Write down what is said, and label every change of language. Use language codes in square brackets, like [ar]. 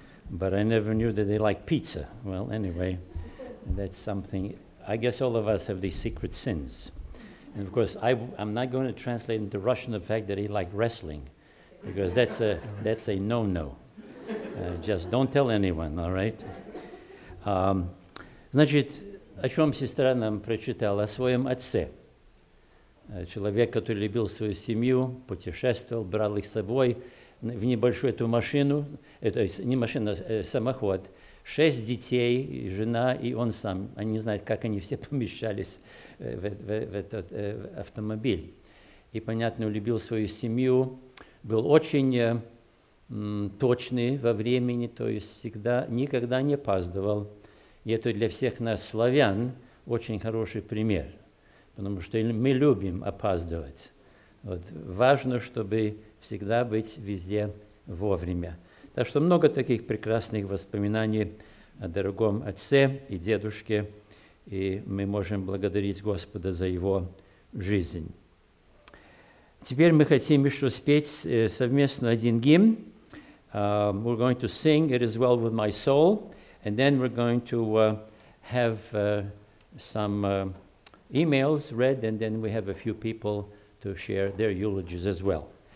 [en] But I never knew that they like pizza. Well, anyway, that's something. I guess all of us have these secret sins. And of course, I'm not going to translate into Russian the fact that he liked wrestling, because that's a no-no. Just don't tell anyone, all right? [ru] Значит, о чем сестра нам прочитала? О своем отце. Человек, который любил свою семью, путешествовал, брал их с собой в небольшую эту машину, это не машина, самоход. Шесть детей, жена и он сам. Они не знают, как они все помещались в этот автомобиль. И, понятно, любил свою семью, был очень точный во времени, то есть всегда, никогда не опаздывал. И это для всех нас, славян, очень хороший пример. Потому что мы любим опаздывать. Вот. Важно, чтобы всегда быть везде вовремя. Так что много таких прекрасных воспоминаний о дорогом отце и дедушке. И мы можем благодарить Господа за его жизнь. Теперь мы хотим еще спеть совместно один гимн. [en] We're going to sing "It Is Well With My Soul". And then we're going to have some... emails read, and then we have a few people to share their eulogies as well.